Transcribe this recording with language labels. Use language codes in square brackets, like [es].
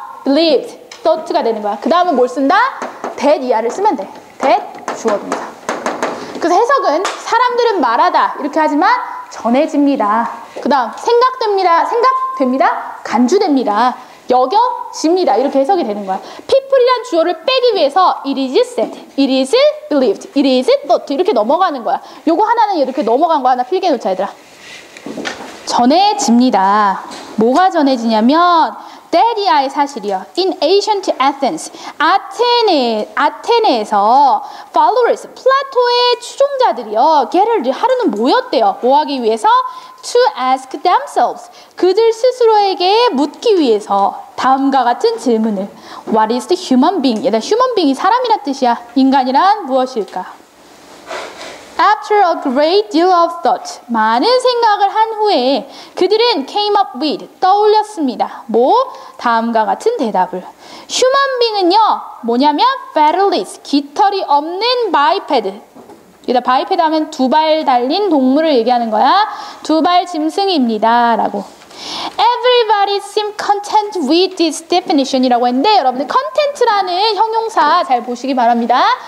[ko] believed, thought가 되는 거야. 그 다음은 뭘 쓴다? that 이하를 쓰면 돼. that 주어입니다. 그래서 해석은 사람들은 말하다 이렇게 하지만 전해집니다. 그 다음 생각됩니다. 생각됩니다. 간주됩니다. 여겨집니다. 이렇게 해석이 되는 거야. people이란 주어를 빼기 위해서 [en] it is said, it is believed, it is thought [ko] 이렇게 넘어가는 거야. 요거 하나는 이렇게 넘어간 거 하나 필기해놓자 얘들아. 전해집니다. 뭐가 전해지냐면 that 이하의 사실이요. [en] In ancient Athens, [ko] 아테네에서 followers, 플라토의 추종자들이요. 게르르 하루는 모였대요. 뭐 하기 위해서? [en] To ask themselves, [ko] 그들 스스로에게 묻기 위해서 다음과 같은 질문을. [en] What is the human being? [ko] 얘다 [en] human being이 [ko] 사람이란 뜻이야. 인간이란 무엇일까? [en] After a great deal of thought, [ko] 많은 생각을 한 후에 그들은 [en] came up with, [ko] 떠올렸습니다. 뭐? 다음과 같은 대답을. Human being은요, 뭐냐면 featherless, 깃털이 없는 biped. 여기다 biped 하면 두 발 달린 동물을 얘기하는 거야. 두 발 짐승입니다. 라고. [en] Everybody seemed content with this definition [ko] 이라고 했는데 여러분들 content라는 형용사 잘 보시기 바랍니다.